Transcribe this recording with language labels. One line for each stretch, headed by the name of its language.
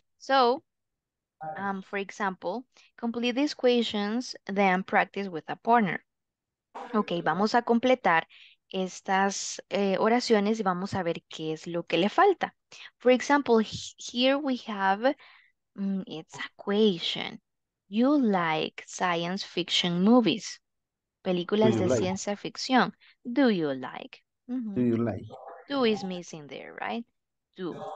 English: So, for example, complete these questions, then practice with a partner.
Spanish: Ok, vamos a completar estas oraciones y vamos a ver qué es lo que le falta.
English: For example, here we have, it's a question. You like science fiction movies,
Spanish: películas de ciencia ficción.
English: Do you like? Mm-hmm. Do you like? Do is missing there, right? Do.